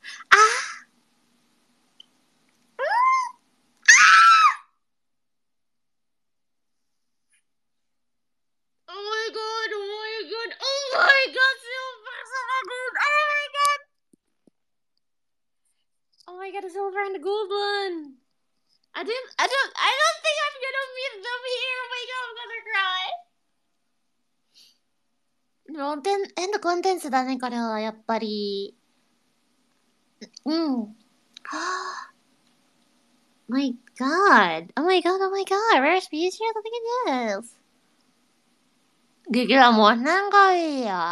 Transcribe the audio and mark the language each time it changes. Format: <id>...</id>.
<en>あーうーあー Oh my god, oh my god, oh my god, silver and gold, oh my god! Oh my god, silver and gold one! I don't think I'm gonna meet them here! Oh my god, I'm gonna cry!</en> <ja>エンドコンテンツだね、これは、やっぱり。うん。はぁ。</ja> <en>My god. Oh my god, oh my god. Where's Beauty and the Beast?</en> <ja>ギギラもなんかいいよ。</ja>